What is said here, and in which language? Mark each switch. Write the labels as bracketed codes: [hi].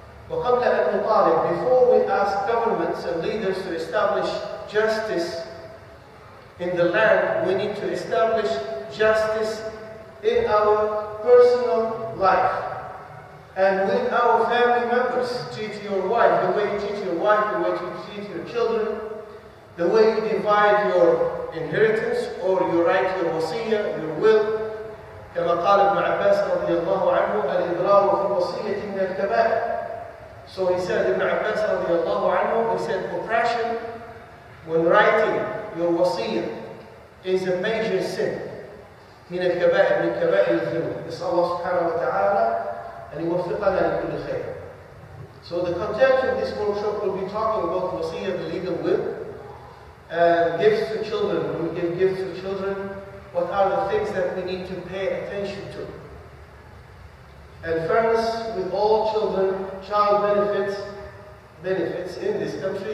[ar] Wa qabla an nutalib, [en] before we ask governments and leaders to establish justice in the land, we need to establish justice in our personal life and with our family members. Treat your wife the way you treat your wife, the way you treat your children, the way you divide your inheritance or you write your wasiya, your will. [ar] كما قال ابن عباس رضي الله عنه الإضرار في الوصية من الكبائر. [en] So he said, ابن عباس [ar] رضي الله عنه, [en] he said, oppression when writing your wasiya is a major sin. [ar] من الكبائر من كبائر الذنوب. [en] It's Allah subhanahu wa ta'ala and [ar] يوفقنا لكل خير. [en] So the content of this workshop will be talking about wasiya, the legal will, gifts to children. When we give gifts to children, what are the things that we need to pay attention to? And fairness with all children, child benefits in this country.